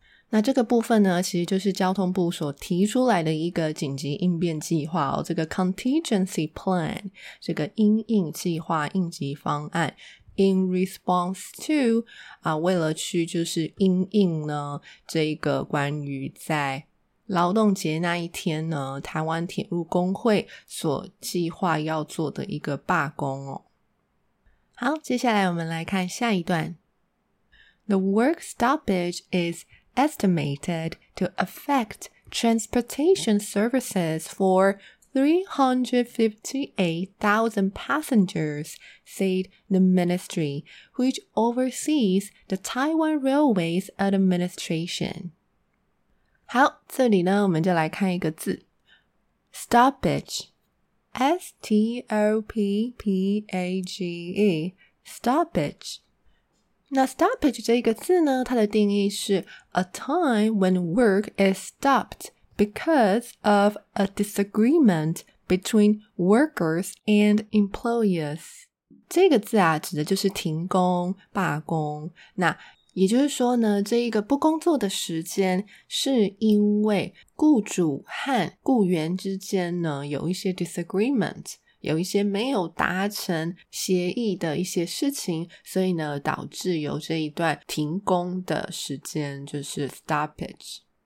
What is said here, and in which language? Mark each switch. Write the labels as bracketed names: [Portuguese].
[Chinese] 那这个部分呢，其实就是交通部所提出来的一个紧急应变计划哦，这个 contingency plan， 这个因应计划、应急方案 ， [English] in response to [Chinese] 啊，为了去就是因应呢，这个关于在劳动节那一天呢，台湾铁路工会所计划要做的一个罢工哦。好，接下来我们来看下一段 ， [English] the work stoppage is。 Estimated to affect transportation services for 358,000 passengers, said the ministry, which oversees the Taiwan Railways Administration. [Chinese] 好，这里呢，我们就来看一个字 ，stoppage, S-T-O-P-P-A-G-E, stoppage. [English] 那 stoppage [Chinese] 这个字呢，它的定义是 [English] a time when work is stopped because of a disagreement between workers and employers. [Chinese] 这个字啊，指的就是停工、罢工。那也就是说呢，这一个不工作的时间是因为雇主和雇员之间呢，有一些 disagreement。有一些没有达成协议的一些事情，所以呢，导致有这一段停工的时间，就是 stoppage。